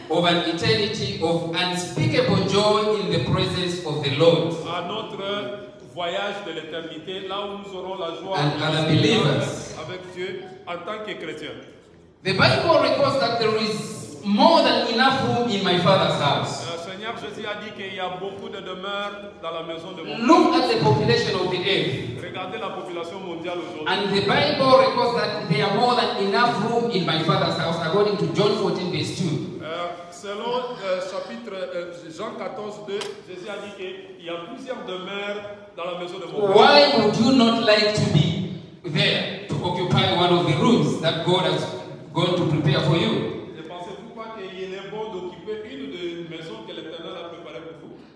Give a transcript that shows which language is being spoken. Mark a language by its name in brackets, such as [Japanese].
[English] Of an eternity of unspeakable joy in the presence of the Lord. [French] À notre voyage de l'éternité, là où nous aurons la joie [English] and other believers, [French] avec Dieu en tant que chrétien. [English] The Bible records that there is more than enough room in my Father's house. [French] Seigneur Jésus a dit qu'il y a beaucoup de demeures dans la maison de mon Père. [English] Look at the population of the earth. [French] Regardez la population mondiale aujourd'hui. [English] And the Bible records that there are more than enough room in my Father's house, according to John 14, verse 2. [French] selon le chapitre Jean 14, 2, Jésus a dit qu'il y a plusieurs demeures dans la maison de mon père. [English] Why would you not like to be there to occupy one of the rooms that God has gone to prepare for you? [French] Ne pensez-vous pas qu'il est bon d'occuper une des maisons que l'Éternel a préparées pour vous?